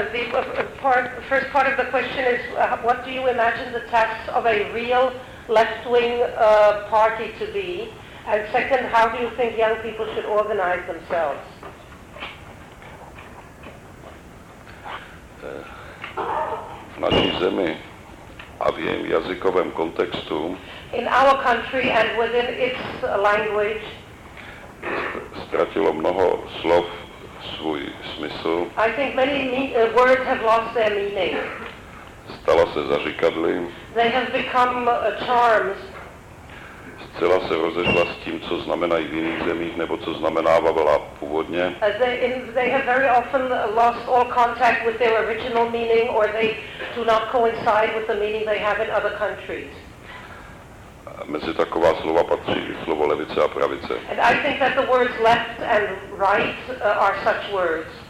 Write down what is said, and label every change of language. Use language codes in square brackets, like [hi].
[en] First part of the question is, what do you imagine the tasks of a real left-wing party to be? And second, how do you think young people should organize themselves? [cs] V naší zemi a v jejím jazykovém kontextu. [en] In our country and within its language. [cs] Ztratilo mnoho slov svůj smysl. [en] I think many words have lost their meaning. [cs] Stala se zaříkadly. [en] They have become charms. [cs] Zcela se rozešla s tím, co znamenají v jiných zemích, nebo co znamenávala původně. [en] They have very often lost all contact with their original meaning, or they do not coincide with the meaning they have in other countries. [cs] Mezi taková slova patří slovo levice a pravice. [en] And I think that the words left and right are such words.